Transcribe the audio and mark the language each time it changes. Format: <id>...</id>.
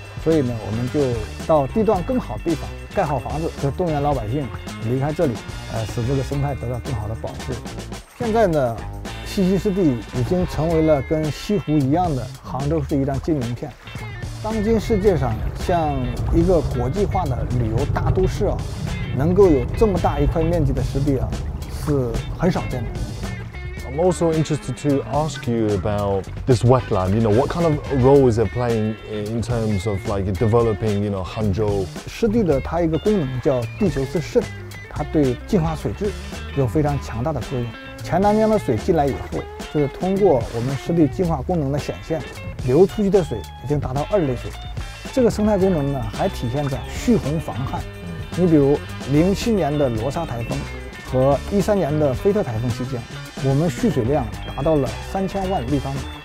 <zh>所以呢，我们就到地段更好的地方盖好房子，就动员老百姓离开这里，使这个生态得到更好的保护。现在呢。西溪湿地已经成为了跟西湖一样的杭州市一张金名片。当今世界上，像一个国际化的旅游大都市啊，能够有这么大一块面积的湿地啊，是很少见的。</zh> <en>I'm also interested to ask you about this wetland. You know, what kind of role is it playing in terms of like developing, you know, Hangzhou?</en> <zh>湿地的它一个功能叫地球之肾，它对净化水质有非常强大的作用。钱塘江的水进来以后，就是通过我们湿地净化功能的显现，流出去的水已经达到二类水。这个生态功能呢，还体现在蓄洪防旱。你比如2007年的罗莎台风和2013年的菲特台风期间，我们蓄水量达到了3000万立方米。</zh>